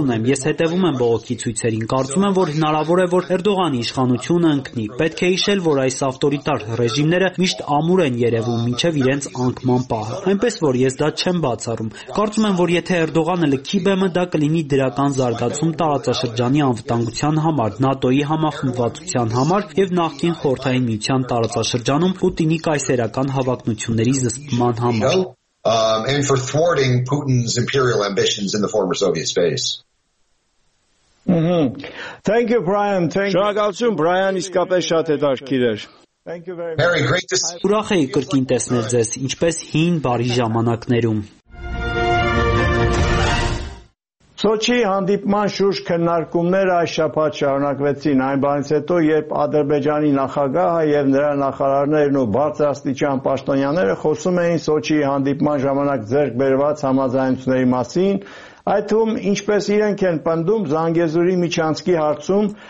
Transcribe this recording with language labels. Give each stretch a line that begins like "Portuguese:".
Armenian: ունեմ, ես հետևում եմ բողոքի ցույցերին, կարծում եմ, որ հնարավոր է որ Էրդողանի իշխանությունը ընկնի։ Պետք է հիշել, որ այս ավտորիտար ռեժիմները միշտ ամուր են երևում մինչև իրենց անկման պահը։ Այնպես որ ես դա չեմ բացառում։ Կարծում եմ, որ եթե Էրդողանը լքի բեմը, դա կլինի դրական զարգացում տարածաշրջանի անվտանգության համար, ՆԱՏՕ-ի համախմբվածության համար և նախկին խորհրդային միության տարածաշրջանում Պուտինի կայսերական հավակնությունների զսպման համար։
English: And for thwarting Putin's imperial ambitions in the former Soviet space. Thank you, Brian. Thank you.
Armenian: Շնորհակալություն, Brian, իսկապես շատ հետաքրքիր էր։
English: Very great.
Armenian: Ուրախ եի կրկին տեսնել ձեզ, ինչպես հին բարի ժամանակներում։ Սոչի հանդիպման շուրջ քննարկումները այս շաբաթ շարունակվեցին, այն բանից հետո, երբ Ադրբեջանի նախագահը և նրա նախարարներն ու բարձրաստիճան պաշտոնյաները խոսում էին Սոչիի հանդիպման ժամանակ ձեռք բերված համաձայնությունների մասին, այդում, ինչպես իրենք են պնդում, Զանգեզուրի միջանցքի հարցում